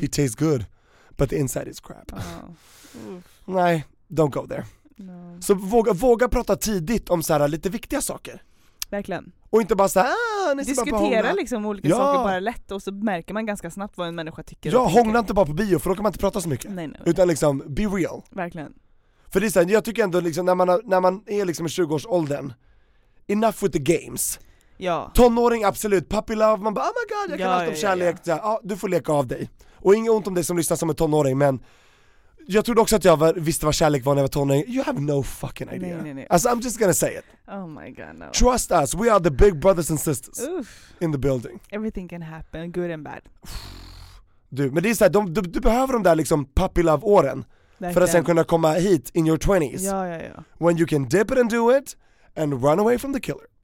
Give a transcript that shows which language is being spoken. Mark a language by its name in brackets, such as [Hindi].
[English] He tastes good, but the inside is crap. Oh. Nej, don't go there. No. [Swedish] Så våga prata tidigt om så här lite viktiga saker. Verkligen. Och inte bara så här, ni ska diskutera bara liksom olika saker bara lätt, och så märker man ganska snabbt vad en människa tycker. Ja, hångla inte bara på bio, för då kan man inte prata så mycket. Nej. Utan liksom, [English] be real. [Swedish] Verkligen. För det är såhär, jag tycker ändå liksom, när man är liksom i 20-årsåldern, [English] enough with the games. [Swedish] Ja. Tonåring, absolut. Puppy love, man bara, [English] oh my god, [Swedish] jag kan allt om kärlek. Ja. Ja, du får leka av dig. Och inget ont om dig som lyssnar som en tonåring, men jag trodde också att jag visste vad kärlek var när jag var tonåring. [English] You have no fucking idea. [Swedish] Nej. [English] Alltså, I'm just gonna say it. Oh my god, no. Trust us, we are the big brothers and sisters. In the building. Everything can happen, good and bad. [Swedish] Du, men det är såhär, du behöver de där liksom puppy love-åren. För att sen kunna komma hit [English] in your 20s. [Swedish] Ja. [English] When you can dip it and do it and run away from the killer.